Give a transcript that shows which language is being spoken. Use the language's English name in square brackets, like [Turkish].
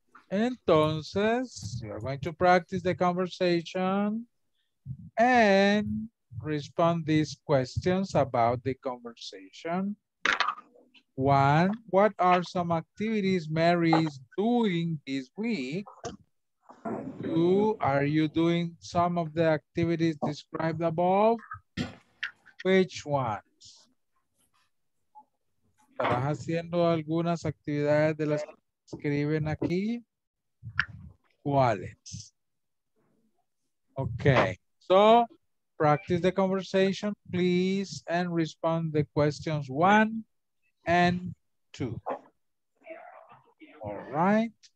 [English] Entonces, you're going to practice the conversation and respond these questions about the conversation. One, what are some activities Mary is doing this week? Two, are you doing some of the activities described above? Which ones? [Spanish] ¿Estás haciendo algunas actividades de las que escriben aquí? [English] quality. Okay, so practice the conversation, please, and respond the questions 1 and 2. All right.